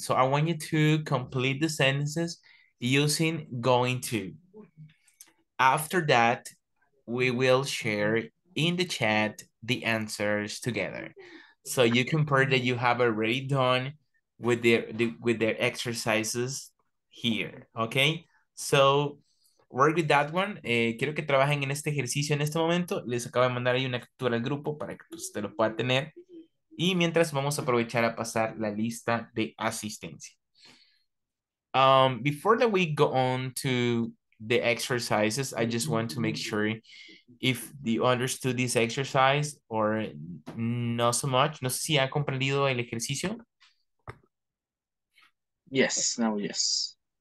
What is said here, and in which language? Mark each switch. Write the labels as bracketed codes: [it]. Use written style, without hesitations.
[en] So I want you to complete the sentences using going to. After that, we will share in the chat the answers together. So you compare that you have already done with their exercises here, okay? So work with that one. [es] Quiero que trabajen en este ejercicio en este momento. Les acabo de mandar ahí una captura al grupo para que pues, usted lo pueda tener. Y mientras vamos a aprovechar a pasar la lista de asistencia. [en] Before that we go on to the exercises, I just want to make sure if you understood this exercise or not so much. [es] No sé si ha comprendido el ejercicio. [en] Yes, now yes.